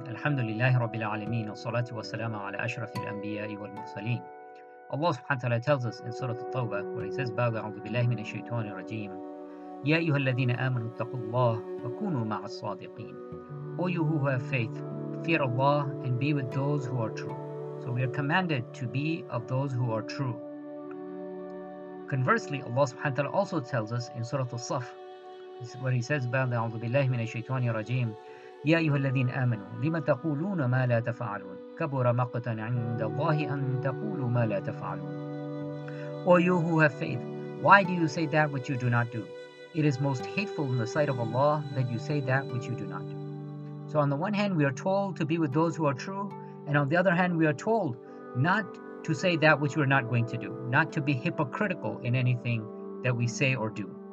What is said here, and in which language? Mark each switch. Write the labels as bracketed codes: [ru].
[ar] الحمد لله رب العالمين والصلاة والسلام على أشرف الأنبياء والمرسلين. Allah سبحانه وتعالى [en] tells us in Surah At-Tawbah where he says [ar] بعد أعوذ بالله من الشيطان الرجيم يا أيها الذين آمنوا اتقوا الله وكونوا مع الصادقين. [en] O you who have faith, fear Allah and be with those who are true. So we are commanded to be of those who are true. Conversely, [ar] Allah سبحانه وتعالى [en] also tells us in Surah At-Saff where he says [ar] بعد أعوذ بالله من الشيطان الرجيم يا أيها الذين آمنوا لما تقولون ما لا تفعلون كبر مقتا عند الله أن تقولوا ما لا تفعلون. [en] O you who have faith, why do you say that which you do not do? It is most hateful in the sight of Allah that you say that which you do not do. So on the one hand, we are told to be with those who are true, and on the other hand, we are told not to say that which we are not going to do, not to be hypocritical in anything that we say or do.